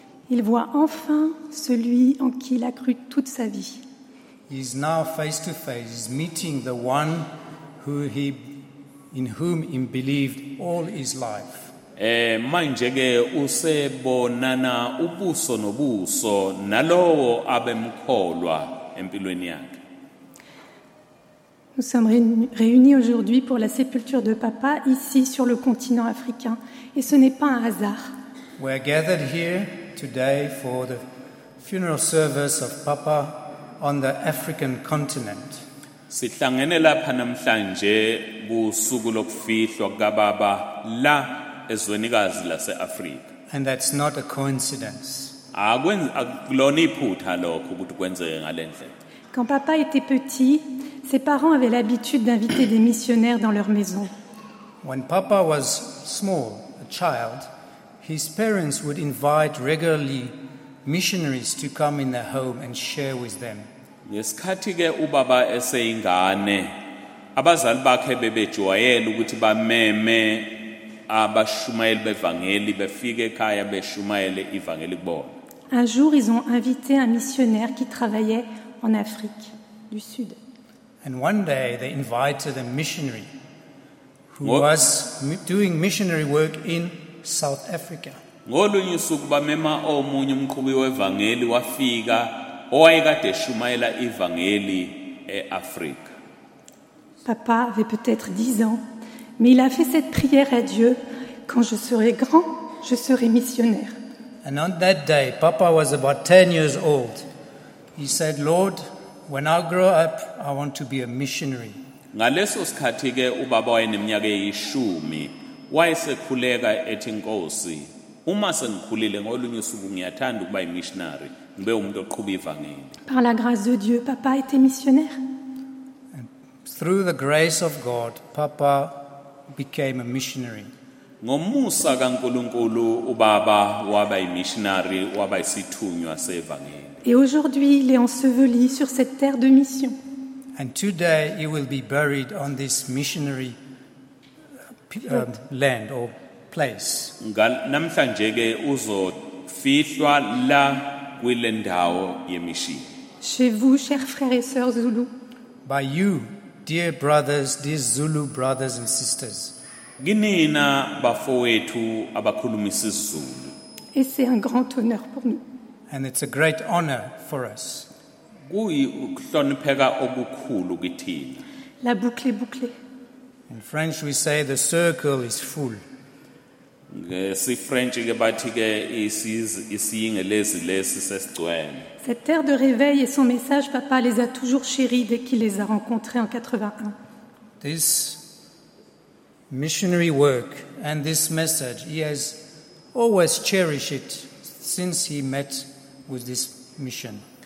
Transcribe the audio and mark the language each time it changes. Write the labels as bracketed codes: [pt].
[fr] Il voit enfin celui en qui il a cru toute sa vie. [en] He is now face to face, meeting the one who he in whom he believed all his life. [zu] Manje ke usebonana ubuso nobuso nalowo abemkholwa empilweni yakhe. [fr] Nous sommes réunis aujourd'hui pour la sépulture de papa ici sur le continent africain et ce n'est pas un hasard. [en] We are gathered here today for the funeral service of papa on the African continent. [zu] Sihlangene lapha namhlanje busuku lokufihlwa kukababa la ezwenikazi laseAfrika. [en] And that's not a coincidence. [zu] Akuloni iphutha lokho ukuthi kwenzeke ngale ndlela. [fr] Quand papa était petit, ses parents avaient l'habitude d'inviter des missionnaires dans leur maison. [en] When papa was small, a child, his parents would invite regularly missionaries to come in their home and share with them. [zu] Ngesikhathi ke ubaba eseyingane, abazali bakhe bebejwayele ukuthi bameme abashumayeli bevangeli befike ekhaya beshumayele ivangeli kubona. [fr] Un jour, ils ont invité un missionnaire qui travaillait en Afrique du Sud. [en] And one day they invited a missionary who was doing missionary work in South Africa. [zu] Ngolunye isuku bamema omunye umqhubi wevangeli wafika owayekade eshumayela ivangeli eAfrica. [fr] Papa avait peut-être 10 ans, mais il a fait cette prière à Dieu: quand je serai grand, je serai missionnaire. [en] And on that day, Papa was about 10 years old. He said, Lord, when I grow up, I want to be a missionary. [zu] Ngaleso sikhathi ke ubaba wayeneminyaka eyishumi, wayesekhuleka ethi Nkosi, uma sengikhulile ngolunye usuku ngiyathanda ukuba yimissionary, ngibe umuntu oqhuba ivangeli. [fr] Par la grâce de Dieu, papa était missionnaire. [en] And through the grace of God, papa became a missionary. [zu] Ngomusa kaNkulunkulu ubaba waba yimissionary, waba isithunywa sevangeli. [fr] Et aujourd'hui, il est enseveli sur cette terre de mission. [en] And today, he will be buried on this missionary land or place. [zu] Namhlanje ke uzofihlwa la kwilendawo yemission. [fr] Chez vous, chers frères et sœurs Zulu. [en] By you, dear brothers, dear Zulu brothers and sisters. [zu] Nginina bafowethu abakhuluma isiZulu. [fr] Et c'est un grand honneur pour nous. [en] And it's a great honor for us. [zu] Kuyihlonipheka obukhulu kithina. [fr] La boucle est bouclée. [en] In French we say the circle is full. [zu] Ngesi French ke bathi ke isiyinge lezi lesi sesigcwele. [fr] Cette terre de réveil et son message, papa les a toujours chéris dès qu'il les a rencontrés en 81. [en] This missionary work and this message, he has always cherished it since he met with this mission.